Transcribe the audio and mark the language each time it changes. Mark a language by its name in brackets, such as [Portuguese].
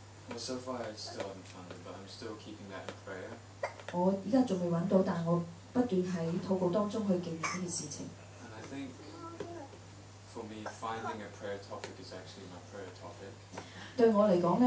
[English] Well, so far I still haven't found it, but I'm still keeping that in prayer. [Cantonese] 我依家仲未揾到，但我 不斷喺禱告當中去記念呢件事情。 [English] And I think for me, finding a prayer topic is actually my prayer topic.